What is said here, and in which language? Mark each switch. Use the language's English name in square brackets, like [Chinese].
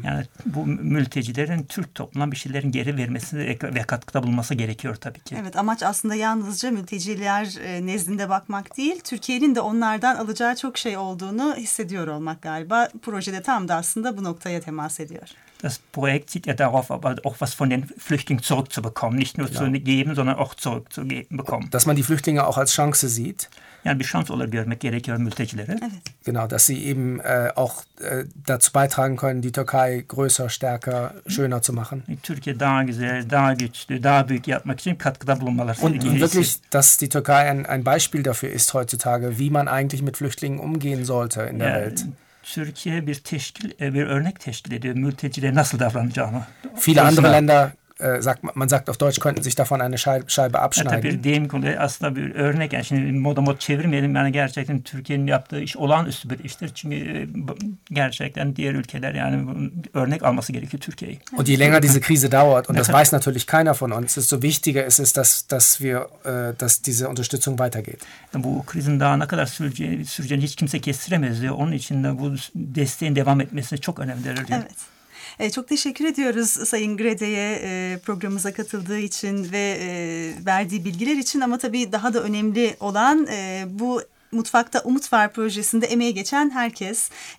[Turkish] Yani bu mültecilerin Türk toplumuna bir şeylerin geri vermesine ve katkıda bulunması gerekiyor tabii ki. Evet, amaç aslında yalnızca mülteciler nezdinde bakmak değil, Türkiye'nin de onlardan alacağı çok şey olduğunu hissediyor olmak galiba. Projede tam da aslında bu noktaya temas ediyor. [German] Das Projekt zielt ja darauf, aber auch was von den Flüchtlingen zurückzubekommen, nicht nur zu geben, sondern auch zurückzubekommen. Dass man die Flüchtlinge auch als Chance sieht. [Turkish] Yani bir şans olarak görmek gerekiyor mültecilere. Evet. [German] Genau, dass sie eben auch dazu beitragen können, die Türkei größer, stärker, schöner zu machen. [Turkish] Türkiye daha güzel, daha güçlü, daha büyük yapmak için katkıda bulunmaları. [German] Und wirklich, dass die Türkei ein Beispiel dafür ist heutzutage, wie man eigentlich mit Flüchtlingen umgehen sollte in der Welt. [Turkish] Türkiye bir teşkil, bir örnek teşkil ediyor mültecilere nasıl davranacağını. [German] Viele andere Länder, man sagt auf Deutsch, könnten sich davon eine Scheibe abschneiden. [Turkish] Bir deyim konu, aslında bir örnek. Yani şimdi moda mod çevirmeyelim. Yani gerçekten Türkiye'nin yaptığı iş olağanüstü bir iştir. Çünkü gerçekten diğer ülkeler yani örnek alması gerekiyor Türkiye'yi. [German] Und je länger diese Krise dauert, und das weiß natürlich keiner von uns, desto wichtiger ist es, dass diese Unterstützung weitergeht. [Turkish] Bu krizin daha ne kadar süreceğini hiç kimse kestiremez diyor. Onun için de bu desteğin devam etmesi çok önemli. Evet. Çok teşekkür ediyoruz Sayın Grede'ye programımıza katıldığı için ve verdiği bilgiler için. Ama tabii daha da önemli olan bu Mutfakta Umut Var projesinde emeği geçen herkes.